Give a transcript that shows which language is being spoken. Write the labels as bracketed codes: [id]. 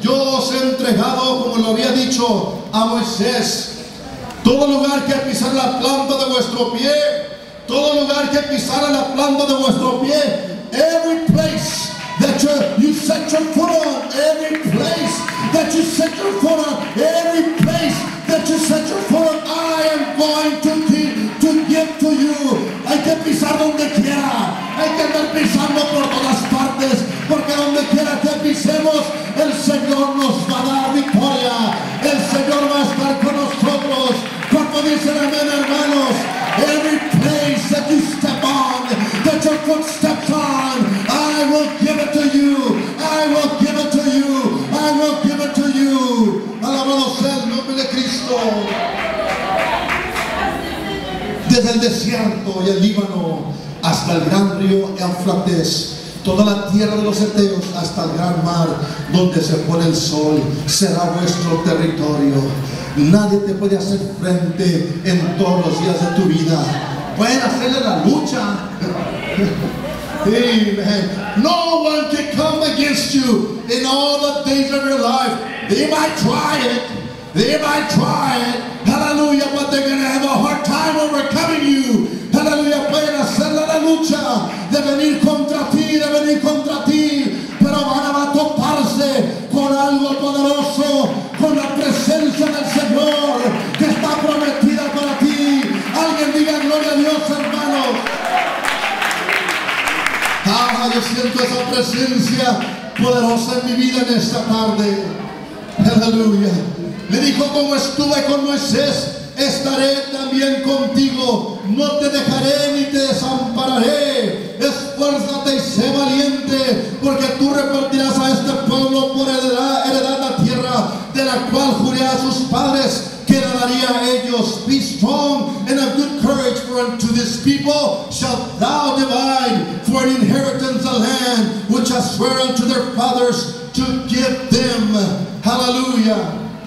[es] Yo os he entregado, como lo había dicho a Moisés, todo lugar que pisara la planta de vuestro pie, [en] todo lugar que pisara la planta de vuestro pie, every place that you set your foot on, every place that you set your foot on, every place that you set your foot on, I am going to give to you. [es] Hay que pisar donde quiera, hay que andar pisando por todas partes, porque donde quiera que pisemos, el Señor nos va a dar victoria. El Señor va a estar con nosotros. Como dicen amén, hermanos. [en] Every place that you step on, that your foot steps on, I will give it to you. I will give it to you. I will give it to you. [es] Alabado sea el nombre de Cristo. Desde el desierto y el Líbano hasta el gran río Eufrates, toda la tierra de los heteos hasta el gran mar donde se pone el sol será vuestro territorio. Nadie te puede hacer frente en todos los días de tu vida. Pueden hacerle la lucha. Amen. [en] No one can come against you in all the days of your life. They might try it. They might try it. Hallelujah. But they're going to have a hard time overcoming you. Hallelujah. [es] Pueden hacerle la lucha de venir contra ti. Venir contra ti, pero van a toparse con algo poderoso, con la presencia del Señor que está prometida para ti. Alguien diga gloria a Dios, hermanos. Ah, yo siento esa presencia poderosa en mi vida en esta tarde. Aleluya. Le dijo: como estuve con Moisés, estaré también contigo. No te dejaré ni te desampararé. Esfuérzate y sé valiente, porque tú repartirás a este pueblo por heredad la tierra de la cual juré a sus padres que la daría a ellos. [en] Be strong and of good courage, for unto this people shalt thou divide for an inheritance a land which I swear unto their fathers to give them. Hallelujah.